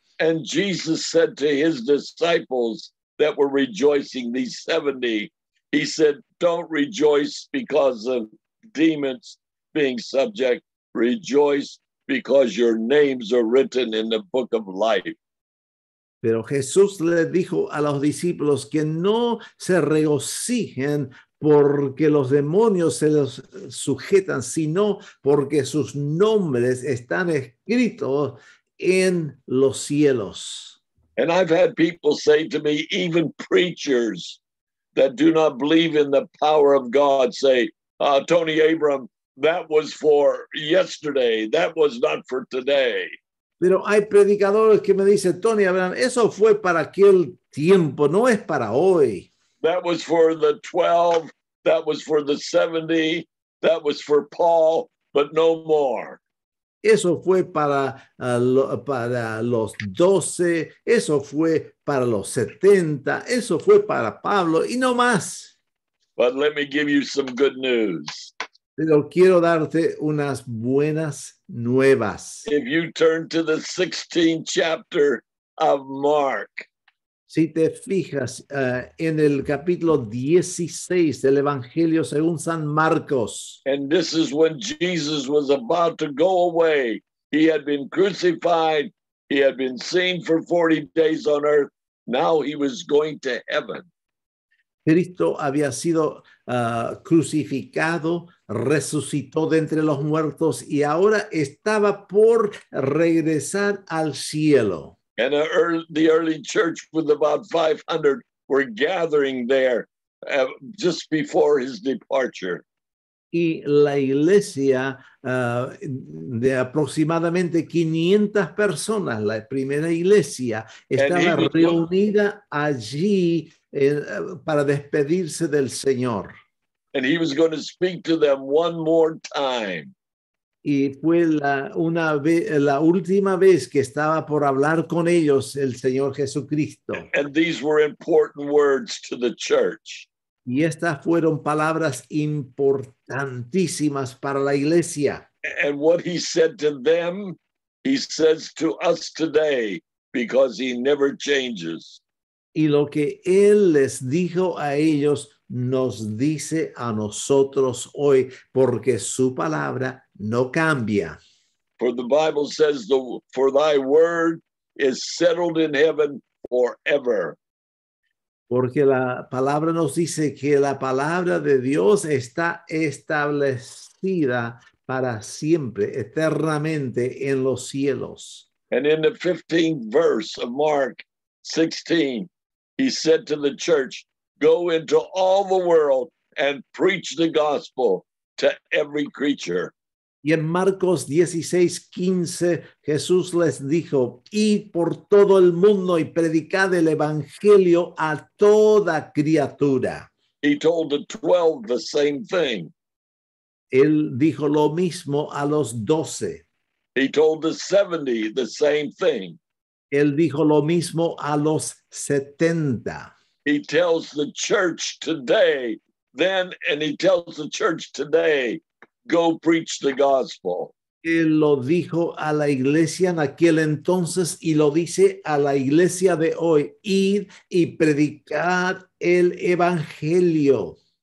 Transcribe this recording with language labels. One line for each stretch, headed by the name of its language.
English: And Jesus said to his disciples that were rejoicing, these 70, he said, don't rejoice because of demons being subject. Rejoice because your names are written in the book of life.
Spanish: Pero Jesús le dijo a los discípulos que no se regocijen porque los demonios se los sujetan, sino porque sus nombres están escritos en los cielos.
English: And I've had people say to me, even preachers that do not believe in the power of God say, Tony Abram, that was for yesterday. That was not for today.
Spanish: Pero hay predicadores que me dicen, Tony Abraham, eso fue para aquel tiempo, no es para hoy.
English: That was for the 12. That was for the 70. That was for Paul, but no more.
Spanish: Eso fue para los 12, eso fue para los 70, eso fue para Pablo y no más.
English: But let me give you some good news.
Spanish: Pero quiero darte unas buenas nuevas.
English: If you turn to the 16th chapter of Mark.
Spanish: Si te fijas en el capítulo 16 del Evangelio según San Marcos.
English: And this is when Jesus was about to go away. He had been crucified. He had been seen for 40 days on earth. Now he was going to heaven.
Spanish: Cristo había sido crucificado, resucitó de entre los muertos y ahora estaba por regresar al cielo.
English: And the early church with about 500 were gathering there just before his departure.
Spanish: Y la iglesia de aproximadamente 500 personas, la primera iglesia,
English: And
Spanish: estaba reunida allí para despedirse del Señor.
English: he was going to speak to them one more time.
Spanish: Y fue la última vez que estaba por hablar con ellos el Señor Jesucristo.
English: And these were important words to the church.
Spanish: Y estas fueron palabras importantísimas para la iglesia.
English: And what he said to them, he says to us today, because he never changes.
Spanish: Y lo que él les dijo a ellos nos dice a nosotros hoy, porque su palabra no cambia.
English: For the Bible says, for thy word is settled in heaven forever.
Spanish: Porque la palabra nos dice que la palabra de Dios está establecida para siempre, eternamente en los cielos.
English: And in the 15th verse of Mark 16, he said to the church, go into all the world and preach the gospel to every creature.
Spanish: Y en Marcos 16, 15, Jesús les dijo, id por todo el mundo y predicad el evangelio a toda criatura.
English: He told the 12 the same thing.
Spanish: Él dijo lo mismo a los 12.
English: He told the 70 the same thing.
Spanish: Él dijo lo mismo a los 70.
English: He tells the church today, then, and he tells the church today, go preach the gospel.
Spanish: Él lo dijo a la iglesia en aquel entonces y lo dice a la iglesia de hoy, id y predicad el evangelio.